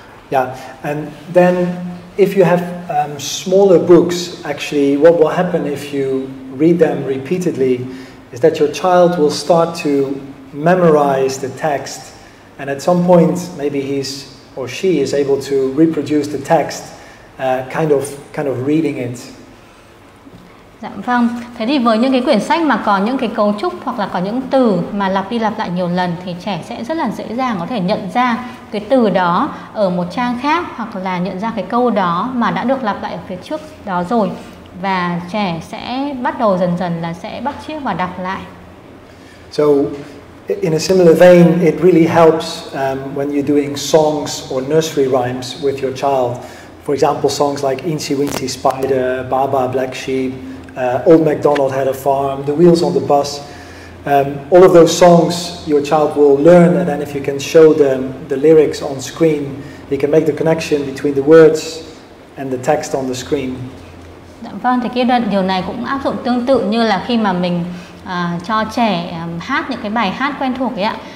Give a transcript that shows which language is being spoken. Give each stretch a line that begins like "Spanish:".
English: Yeah, and then if you have smaller books, actually what will happen if you read them repeatedly is that your child will start to memorize the text, and at some point maybe he's or she is able to reproduce the text, kind of reading it.
Vietnamese: Dạ vâng. Thế thì với những cái quyển sách mà có những cái cấu trúc hoặc là có những từ mà lặp đi lặp lại nhiều lần thì trẻ sẽ rất là dễ dàng có thể nhận ra cái từ đó ở một trang khác, hoặc là nhận ra cái câu đó mà đã được lặp lại ở phía trước đó rồi. Và trẻ sẽ bắt đầu dần dần là sẽ bắt chước và đọc lại.
English: So in a similar vein, it really helps when you're doing songs or nursery rhymes with your child. For example, songs like Incy Wincy Spider, Baba Black Sheep, Old MacDonald Had a Farm, The Wheels on the Bus. All of those songs your child will learn, and then if you can show them the lyrics on screen, he can make the connection between the words and the text on the screen.
Vietnamese: Vâng, thì cái điều này cũng áp dụng tương tự như là khi mà mình cho trẻ hát những cái bài hát quen thuộc ấy ạ.